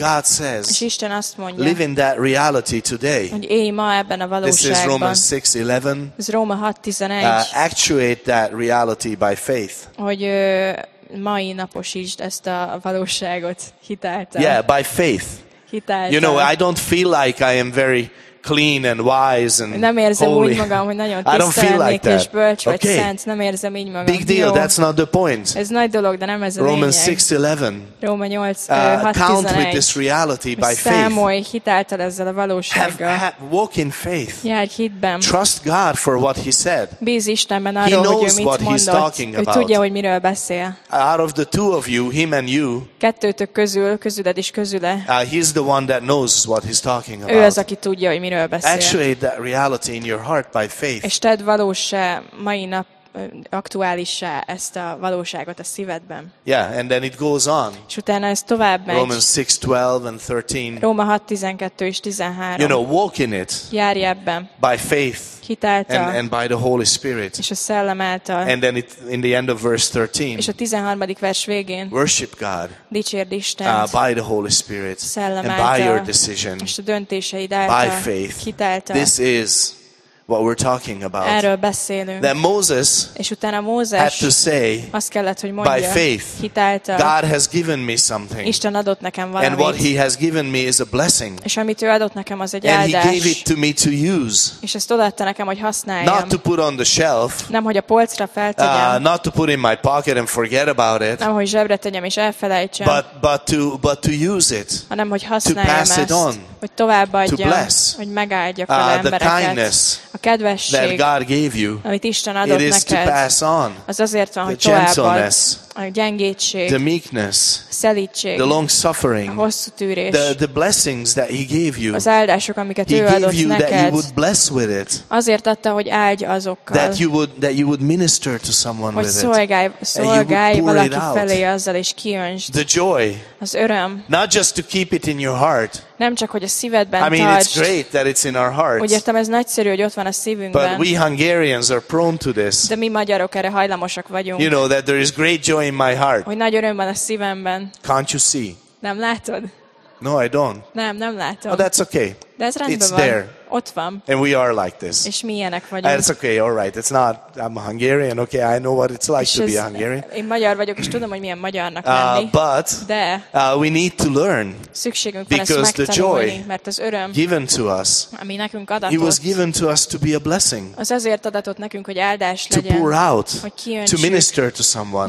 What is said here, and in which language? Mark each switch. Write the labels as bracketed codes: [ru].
[en] and God says, [hu] és Isten azt mondja, [en] live in that reality today, [hu] hogy élj ma ebben a valóságban. [en] This is Romans 6:11. [hu] Ez Róma 6:11. [en] Actuate that reality by faith. [hu] Hogy mai naposítsd ezt a valóságot hitáltal. [en] Yeah, by faith. [hu] Hitáltal. [en] You know, I don't feel like I am very clean and wise and [hu] nem érzem [en] holy. [hu] Úgy magam, hogy nagyon tisztelnék és bölcs vagy okay. szent. Nem érzem így magam. [en] Big deal, [hu] jó. [en] That's not the point. [hu] Ez nagy dolog, de nem ez a [en] Romans [hu] lényeg. [en] Romans [hu] 6:11. Róma 6:11. [en] Count with this reality by faith. [hu] Számolj hitáltal ezzel a valósággal. [en] Walk in faith. [hu] Járj hitben. [en] Trust God for what he said. [hu] Bíz Istenben arról, hogy ő mit mondott. [en] He knows what he's talking about. [hu] Ő tudja, hogy miről beszél. [en] Out of the two of you, him and you. [hu] Kettőtök közül, közüled és közüle. [en] He's the one that knows what he's talking about. [hu] Ő az, aki tudja, hogy miről beszél. [en] Actuate that reality in your heart by faith. [hu] És tedd valósá mai nap aktuálissá ezt a valóságot a szívedben. [en] Yeah, and then it goes on. [hu] És utána ez tovább megy. [en] Romans 6:12 and 13. [hu] Róma 6:12 és 13. [en] You know, walk in it. [hu] Járj ebben. [en] By faith. [hu] Hitáltal. [en] And by the Holy Spirit. [hu] És a szellem által. [en] And then it, in the end of verse 13. [hu] És a 13. vers végén. [en] Worship God. [hu] Dicsérd Istent. [en] By the Holy Spirit. [hu] Szellem [en] and [hu] által. [en] By your decision. [hu] És a döntéseid által. [en] By faith. [hu] Hitáltal. [en] This is what we're talking about. [hu] Erről beszélünk. [en] That Moses, [hu] és utána Mózes, [en] had to say, [hu] azt kellett, hogy mondja, [en] by faith, [hu] hitáltal, [en] God has given me something. [hu] Isten adott nekem valamit. [en] And what he has given me is a blessing. [hu] És amit ő adott nekem, az egy [en] and [hu] áldás. [en] He gave it to me to use. [hu] És ezt odaadta nekem, hogy használjam. [en] Not to put on the shelf. [hu] Nem, hogy a polcra feltegyem. [en] Not to put in my pocket and forget about it. [hu] Nem, hogy zsebre tegyem és elfelejtsem. [en] But to use it. [hu] Hanem, hogy használjam [en] to pass [hu] ezt, [en] it on. [hu] Hogy továbbadjam. [en] To bless. [hu] Hogy megáldjak az embereket. [en] The kindness. [hu] A kedvesség, [en] that God gave you, [hu] amit Isten adott [en] it is [hu] neked, [en] to pass on, [hu] az azért van, [en] the [hu] hogy továbbad, [en] gentleness, [hu] a gyengétség, [en] the meekness, [hu] a szelítség, [en] the long suffering, [hu] a hosszú tűrés, [en] the blessings that he gave you, [hu] az áldások, amiket [en] he [hu] ő [en] gave [hu] adott [en] you, [hu] neked, [en] that you would bless with it, [hu] azért adta, hogy áldj azokkal, [en] that you would minister to someone [hu] hogy [en] with [hu] szolgálj, [en] it, [hu] szolgálj valaki felé azzal, és kiöntsd, [en] the joy, [hu] az öröm, [en] not just to keep it in your heart, [hu] nem csak, hogy a szívedben tartsd. [en] I mean, it's great that it's in our hearts. [hu] Úgy értem, ez nagyszerű, hogy ott van a szívünkben. [en] But we Hungarians are prone to this. [hu] De mi magyarok erre hajlamosak vagyunk. [en] You know that there is great joy in my heart. [hu] Hogy nagy öröm van a szívemben. [en] Can't you see? [hu] Nem látod? [en] No, I don't. [hu] Nem, nem látom. [en] Oh, that's okay. [hu] De ez rendben [en] it's [hu] van. [en] There. [hu] Ott van. [en] And we are like this. [hu] És mi ilyenek vagyunk. [en] That's okay, all right. It's not, I'm a Hungarian, okay, I know what it's like [hu] és [en] to be a Hungarian. [hu] Én magyar vagyok, és tudom, hogy milyen magyarnak lenni. [en] But [hu] de [en] we need to learn. [hu] Szükségünk van ezt [en] because [hu] megtanulni, [en] the joy [hu] mert az öröm, [en] given to us, [hu] ami nekünk adatott, [en] it was given to us to be a blessing. [hu] Az azért adatott nekünk, hogy áldás legyen. [en] To pour out, [hu] hogy kiöntsük, [en] to minister to someone,